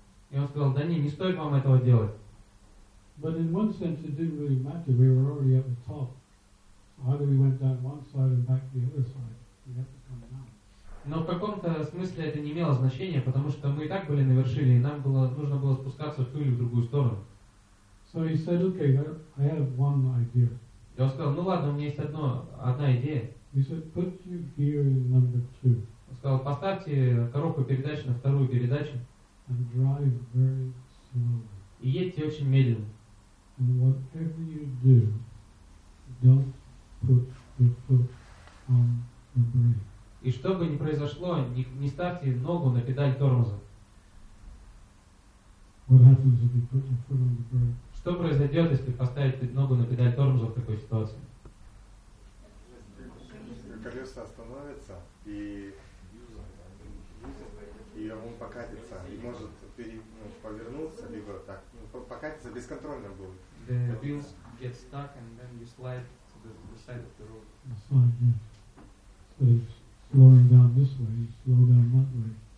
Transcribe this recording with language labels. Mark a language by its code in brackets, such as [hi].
[ru] И он сказал, да нет, не стоит вам этого делать. [en] But in one sense it didn't really matter. We were already at the top. So either we went down one side and back the other side. We had to come down. [ru] Но в каком-то смысле это не имело значения, потому что мы и так были на вершине, и нам было нужно было спускаться в ту или в другую сторону. [en] So he said, okay, I have one idea. [ru] И И он сказал, ну ладно, у меня есть одна идея. [en] He said, put your gear in number two. [ru] Он сказал, поставьте коробку передач на вторую передачу. [en] And drive very slowly. [ru] И едьте очень медленно. [en] And whatever you do, don't put your foot on the brake. [ru] И что бы ни произошло, не ставьте ногу на педаль тормоза. [en] What happens if you put your foot on the brake? [ru] Что произойдет, если поставить ногу на педаль тормоза в такой ситуации? Колеса остановится и он покатится и может повернуться либо так, покатится бесконтрольно будет. [en] The wheels get stuck and then you slide to the side of the road. The slide, yeah. So it's slowing down this way, slow down that way.